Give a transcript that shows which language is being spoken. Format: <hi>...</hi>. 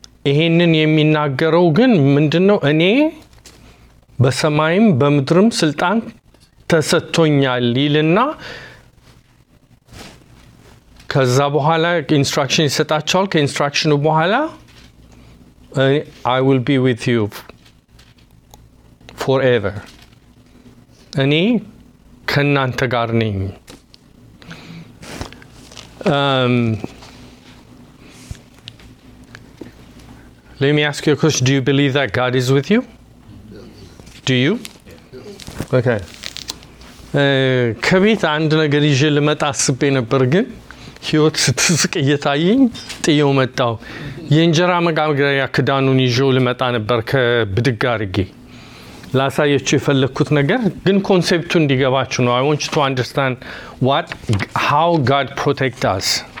<am>ይህንን የሚናገረው ግን ምንድን ነው? እኔ በሰማይም በምድርም ስልጣን ተሰጥቶኛል ይልና ከዛ በኋላ ኢንስትራክሽን ይሰጣቸዋል። ከኢንስትራክሽኑ በኋላ</am> <en>I will be with you forever.</en> <am>እኔ ከእናንተ ጋር ነኝ።</am> <en>Let me ask you a question. Do you believe that God is with you? Do you? Okay.</en> <am>ከቤት አንድ ነገር ይዤ ልመጣ አስቤ ነበር፣ ግን ህይወት ስትስቅ እየታየኝ ጥየው መጣው። የእንጀራ መጋገሪያ ክዳኑን ይዤው ልመጣ ነበር ከብድግ አድርጌ ላሳያችሁ የፈለግኩት ነገር ግን ኮንሴፕቱ እንዲገባችሁ ነው።</am> <en>አይ ዋንት ቱ አንደርስታንድ ዋት ሃው ጋድ ፕሮቴክት አስ።</en>